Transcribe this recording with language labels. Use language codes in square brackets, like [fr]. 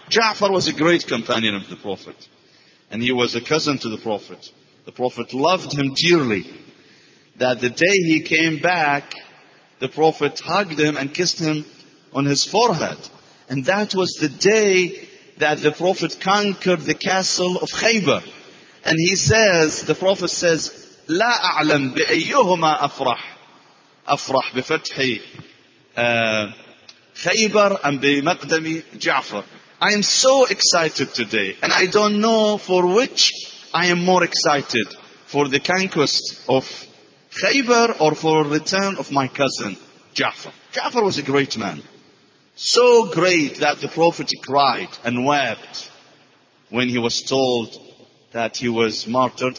[en] Jafar was a great companion of the Prophet, and he was a cousin to the Prophet. The Prophet loved him dearly. That the day he came back, the Prophet hugged him and kissed him on his forehead. And that was the day that the Prophet conquered the castle of Khaybar. And he says, the Prophet says, [ar] لا أعلم بأيهما أفرح أفرح بفتح خيبر أم بمقدم جعفر. [en] I am so excited today, and I don't know for which I am more excited, for the conquest of Khaybar or for the return of my cousin Jafar. Jafar was a great man, so great that the Prophet cried and wept when he was told that he was martyred.